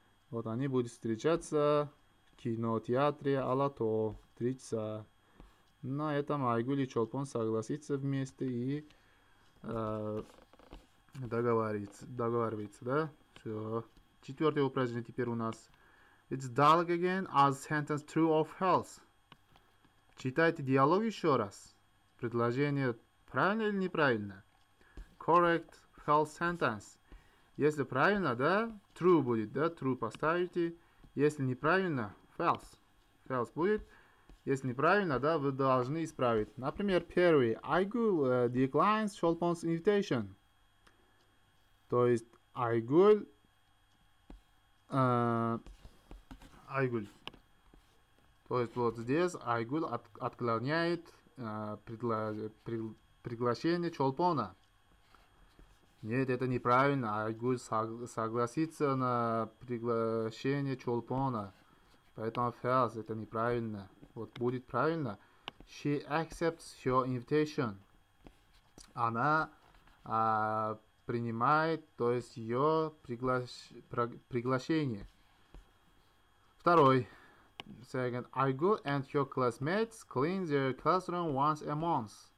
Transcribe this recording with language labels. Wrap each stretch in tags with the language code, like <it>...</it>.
<ru>Вот они будут встречаться в кинотеатре Алато в 3 часа. На этом Айгуль и Чолпон согласится вместе и договаривается, да? Все. Четвертое упражнение теперь у нас.</ru> <en>It's dialogue again as sentence true or false.</en> <ru>Читайте диалог еще раз. Предложение правильно или неправильно?</ru> <en>Correct false sentence.</en> <ru>Если правильно, да, true будет, да, true поставите. Если неправильно, false. False будет. Если неправильно, да, вы должны исправить. Например, первый. Айгуль</ru> <en>declines Чолпон's invitation.</en> <ru>То есть Айгуль. То есть вот здесь Айгуль отклоняет приглашение Чолпона. Нет, это неправильно. Айгуль согласится на приглашение Чолпона. Поэтому фэлс, это неправильно. Вот будет правильно.</ru> <en>She accepts your invitation.</en> <ru>Она принимает, то есть ее приглашение. Второй. Second.</ru> <en>Айгуль and her classmates clean their classroom once a month.</en>